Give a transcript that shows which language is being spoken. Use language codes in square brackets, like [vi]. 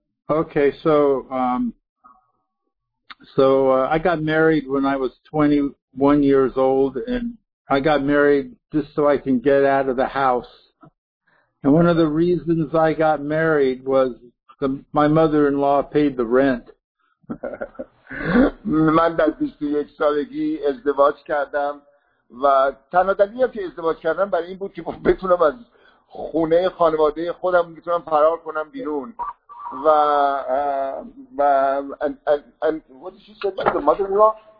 [en] Okay, so I got married when I was 21 years old, and I got married just so I can get out of the house. And one of the reasons I got married was my mother-in-law paid the rent. [fa] من در 21 سالگی ازدواج کردم و تنها دلیلی که ازدواج کردم برای این بود که بتونم از خونه خانواده خودم بتونم فرار کنم بیرون. [en] And what did she say about the mother-in-law?